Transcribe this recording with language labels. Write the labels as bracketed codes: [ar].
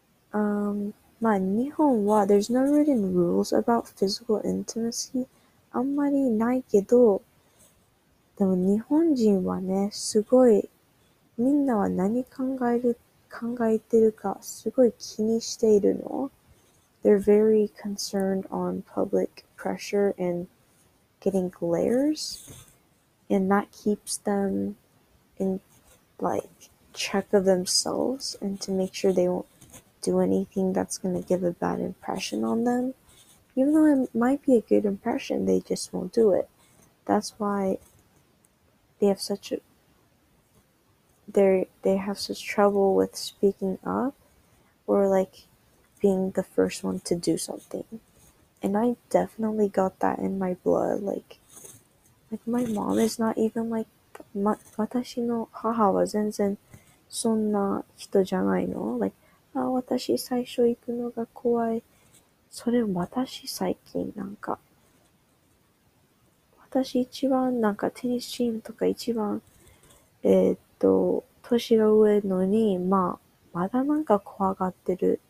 [ja] まあ、日本は、 [en] there's no written rules about physical intimacy. [ja] あんまりないけど、でも日本人はね、すごい、みんなは何考えてるか、すごい気にしているの。 [en] They're very concerned on public pressure and getting glares. And that keeps them in, like, check of themselves and to make sure they won't,do anything that's going to give a bad impression on them. Even though it might be a good impression, they just won't do it. That's why they have such trouble with speaking up or like being the first one to do something. And I definitely got that in my blood. Like my mom is not even like, [ja] 私の母は全然そんな人じゃないの? Like,私最初行くのが怖い。それ私最近なんか、私一番なんかテニスチームとか一番、年が上のに、まあ、まだなんか怖がってる。